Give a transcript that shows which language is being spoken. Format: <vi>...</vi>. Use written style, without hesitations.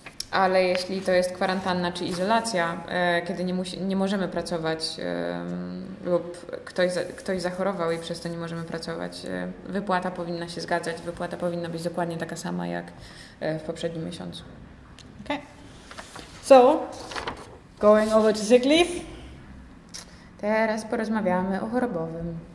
<pl>Ale jeśli to jest kwarantanna czy izolacja, kiedy nie możemy pracować lub ktoś zachorował i przez to nie możemy pracować, wypłata powinna się zgadzać, wypłata powinna być dokładnie taka sama jak w poprzednim miesiącu.</pl> <en>Okay. So, going over to sick leave.</en> <pl>Teraz porozmawiamy o chorobowym.</pl>